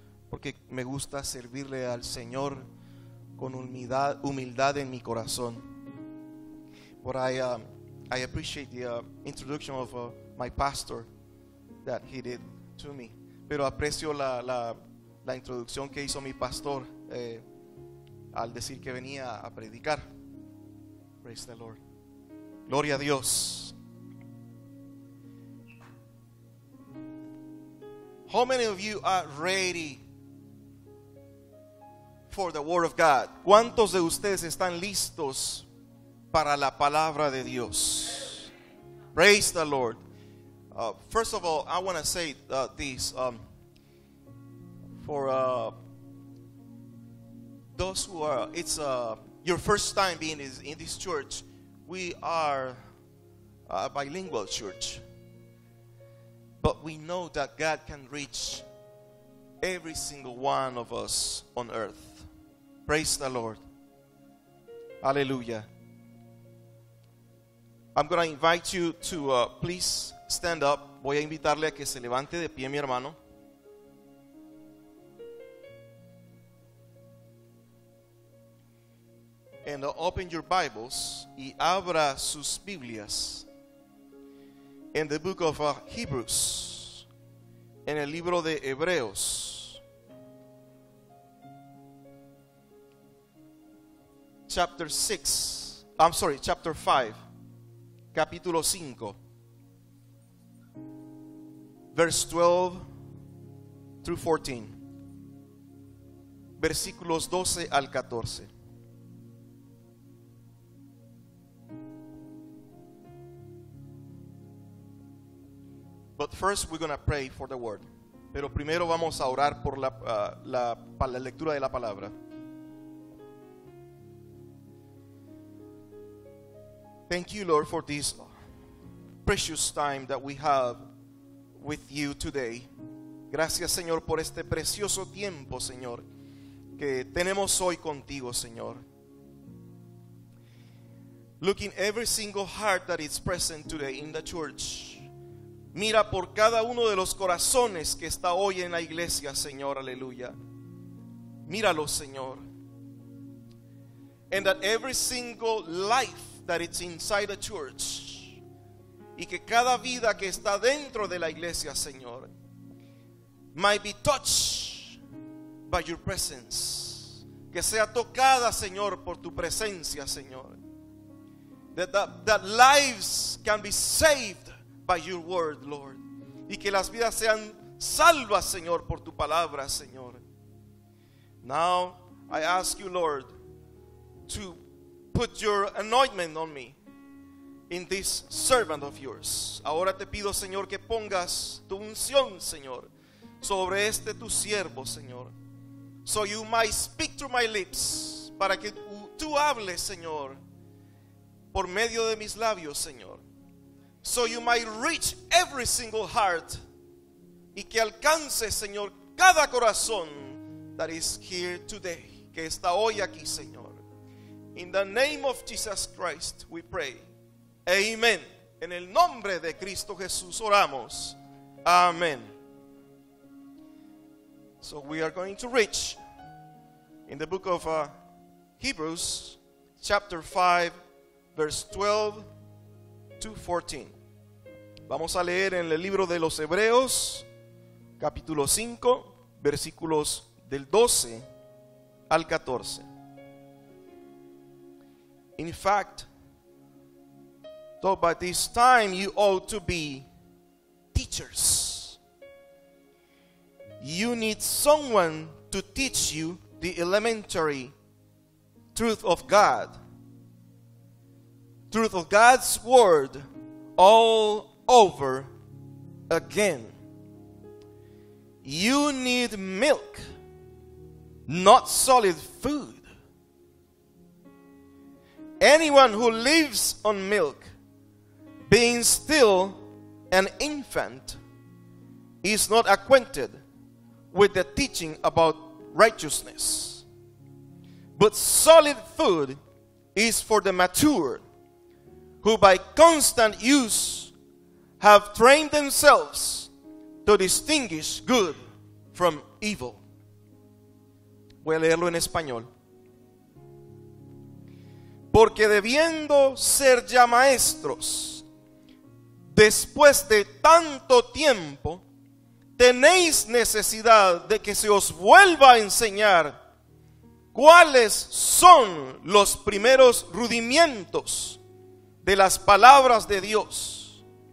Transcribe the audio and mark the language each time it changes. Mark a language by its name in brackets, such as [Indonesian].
[Spanish] Porque me gusta servirle al Señor con humildad en mi corazón. [English] But I appreciate the introduction of my pastor that he did to me. [Spanish] Pero aprecio la introducción que hizo mi pastor al decir que venía a predicar. [English] Praise the Lord. [Spanish] Gloria a Dios. [English] How many of you are ready for the word of God? [Spanish] ¿Cuántos de ustedes están listos para la palabra de Dios? [English] Praise the Lord. First of all, I want to say this those who are, it's your first time being in this church. We are a bilingual church, but we know that God can reach every single one of us on earth. Praise the Lord. Hallelujah. I'm going to invite you to please stand up. [Spanish] Voy a invitarle a que se levante de pie, mi hermano. [English] And open your Bibles [Spanish] y abra sus Biblias [English] in the book of Hebrews, [Spanish] en el libro de Hebreos. [English] Chapter 5, [Spanish] capítulo 5, [English] verse 12-14, [Spanish] versículos 12-14. [English] But first we're going to pray for the word. [Spanish] Pero primero vamos a orar por la lectura de la palabra. [English] Thank you, Lord, for this precious time that we have with you today. [Spanish] Gracias, Señor, por este precioso tiempo, Señor, que tenemos hoy contigo, Señor. [English] Look in every single heart that is present today in the church. [Spanish] Mira por cada uno de los corazones que está hoy en la iglesia, Señor, aleluya. Míralo, Señor. [English] And that every single life that it's inside the church, [Spanish] y que cada vida que está dentro de la iglesia, Señor, [English] might be touched by your presence, [Spanish] que sea tocada, Señor, por tu presencia, Señor, [English] that lives can be saved by your word, Lord. [Spanish] Y que las vidas sean salvas, Señor, por tu palabra, Señor. [English] Now I ask you, Lord, to put your anointment on me, in this servant of yours. [Spanish] Ahora te pido, Señor, que pongas tu unción, Señor, sobre este tu siervo, Señor. [English] So you might speak through my lips, [Spanish] para que tú hables, Señor, por medio de mis labios, Señor. [English] So you might reach every single heart, [Spanish] y que alcance, Señor, cada corazón [English] that is here today, [Spanish] que está hoy aquí, Señor. [English] In the name of Jesus Christ, we pray. [Spanish] Amen. En el nombre de Cristo Jesús oramos. Amen. [English] So we are going to reach in the book of Hebrews, chapter 5, verse 12-14. [Spanish] Vamos a leer en el libro de los Hebreos, capítulo 5, versículos del 12 al 14. [English] In fact, though by this time you ought to be teachers, you need someone to teach you the elementary truth of God, truth of God's word, all over again. You need milk, not solid food. Anyone who lives on milk, being still an infant, is not acquainted with the teaching about righteousness. But solid food is for the mature, who by constant use have trained themselves to distinguish good from evil. [Spanish] Voy a leerlo en español. Porque debiendo ser ya maestros, después de tanto tiempo, tenéis necesidad de que se os vuelva a enseñar cuáles son los primeros rudimentos de las palabras de Dios.